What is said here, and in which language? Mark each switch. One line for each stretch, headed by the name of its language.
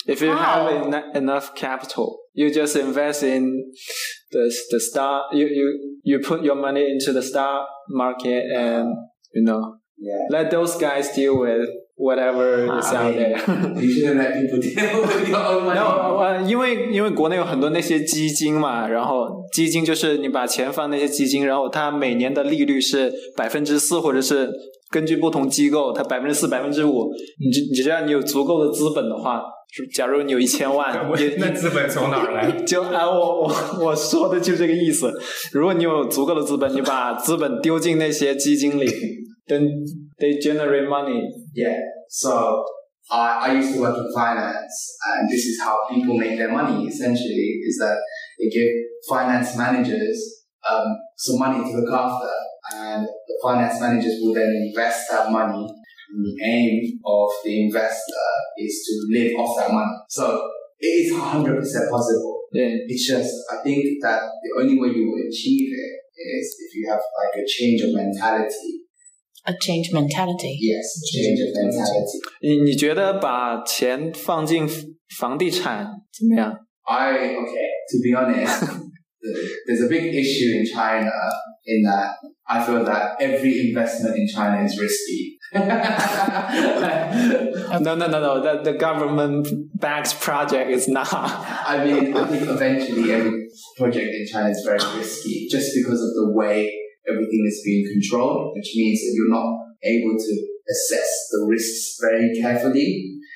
English: If you have enough capital, you just invest in the stock. You put your money into the stock market and, you know, let those guys deal with whatever is out there. You shouldn't let people deal with your own money. No,
Chinese: 因为国内有很多那些基金嘛，然后基金就是你把钱放那些基金，然后它每年的利率是4%或者是根据不同机构它4%-5%，你只要你有足够的资本的话，假如你有1,000,000，那资本从哪儿来？我说的就这个意思，如果你有足够的资本，你把资本丢进那些基金里
English: then they generate money. Yeah, so I used to work in finance and this is how people make their money essentially, is that they give finance managers some money to look after, and the finance managers will then invest that money, and the aim of the investor is to live off that money. So it is 100% possible. Yeah. It's just, I think that the only way you will achieve it is if you have like a change of mentality. A change mentality? Yes, change of mentality.
Chinese: 你觉得把钱放进房地产怎么样？
English: To be honest, there's a big issue in China in that I feel that every investment in China is risky. No. The government backed project is not. I mean, I think eventually every project in China is very risky just because of the way everything is being controlled, which means that you're not able to assess the risks very carefully.